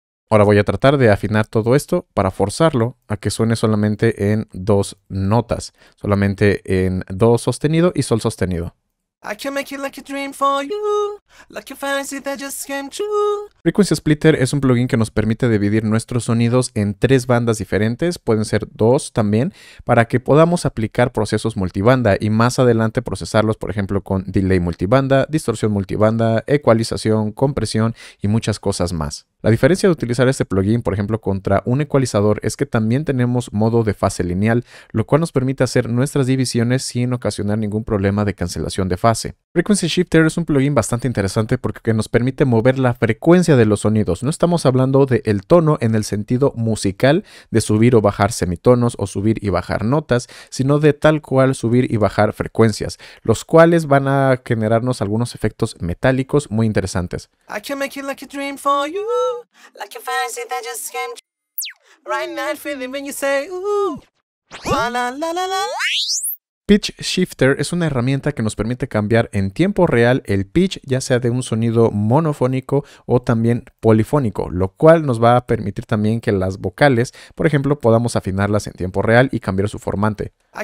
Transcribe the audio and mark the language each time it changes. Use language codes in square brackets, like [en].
[es] Ahora voy a tratar de afinar todo esto para forzarlo a que suene solamente en dos notas, solamente en do sostenido y sol sostenido. [en] I can make it like a dream for you, like a fantasy that just came true. [es] Frequency Splitter es un plugin que nos permite dividir nuestros sonidos en tres bandas diferentes, pueden ser dos también, para que podamos aplicar procesos multibanda y más adelante procesarlos, por ejemplo, con delay multibanda, distorsión multibanda, ecualización, compresión y muchas cosas más. La diferencia de utilizar este plugin, por ejemplo, contra un ecualizador es que también tenemos modo de fase lineal, lo cual nos permite hacer nuestras divisiones sin ocasionar ningún problema de cancelación de fase. Frequency Shifter es un plugin bastante interesante porque nos permite mover la frecuencia de los sonidos. No estamos hablando del tono en el sentido musical de subir o bajar semitonos o subir y bajar notas, sino de tal cual subir y bajar frecuencias, los cuales van a generarnos algunos efectos metálicos muy interesantes. [en] I can make it like a dream for you. Like a fantasy that just came true. Right now I'm feeling when you say ooh. La la la la la. [es] Pitch Shifter es una herramienta que nos permite cambiar en tiempo real el pitch, ya sea de un sonido monofónico o también polifónico, lo cual nos va a permitir también que las vocales, por ejemplo, podamos afinarlas en tiempo real y cambiar su formante.